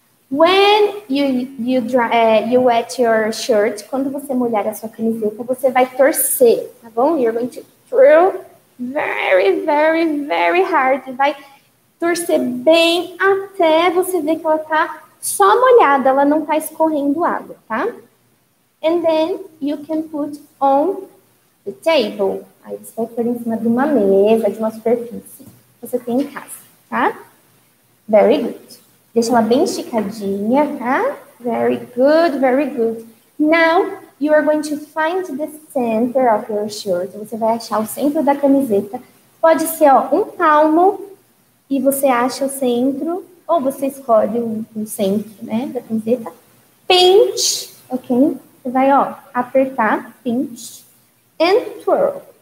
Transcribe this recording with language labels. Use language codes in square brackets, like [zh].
[en] When you wet your shirt, [pt] quando você molhar a sua camiseta, você vai torcer, tá bom? [en] You're going to throw very, very, very hard. [pt] Vai torcer bem até você ver que ela tá só molhada, ela não tá escorrendo água, tá? [en] And then you can put on the table. [pt] Aí você vai pôr em cima de uma mesa, de uma superfície que você tem em casa, tá? [en] Very good. [pt] Deixa ela bem esticadinha, tá? [en] Very good, very good. Now you are going to find the center of your shirt. [pt] Você vai achar o centro da camiseta. Pode ser, ó, um palmo e você acha o centro. Ou você escolhe o centro, né, da camiseta. Pinch, ok? Você vai, ó, apertar, pinch, [en] and twirl.